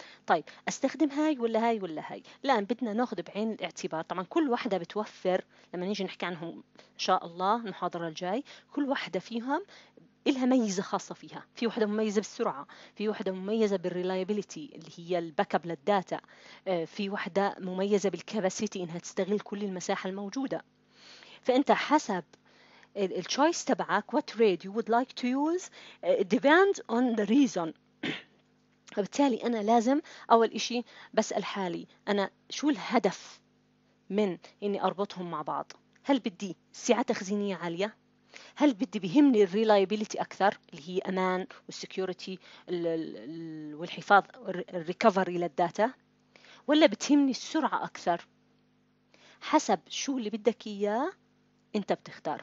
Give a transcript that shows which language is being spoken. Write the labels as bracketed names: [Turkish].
[Arabic] طيب استخدم هاي ولا هاي ولا هاي؟ لا، بدنا ناخذ بعين الاعتبار طبعا كل واحده بتوفر، لما نيجي نحكي عنهم ان شاء الله المحاضره الجاي، كل واحده فيهم لها ميزه خاصه فيها. في واحده مميزه بالسرعه، في واحده مميزه بالريلايبيليتي اللي هي الباك اب للداتا، في واحده مميزه بالكاباسيتي انها تستغل كل المساحه الموجوده. فانت حسب الشويس تبعك [English] what rate you would like to use depends on the reason. [Arabic] فبالتالي أنا لازم أول إشي بسأل حالي أنا شو الهدف من إني أربطهم مع بعض. هل بدي سعة تخزينية عالية؟ هل بدي بهمني الريلايبيليتي أكثر اللي هي أمان والسيكوريتي والحفاظ الريكفري للداتا، ولا بتهمني السرعة أكثر؟ حسب شو اللي بدك إياه أنت بتختار.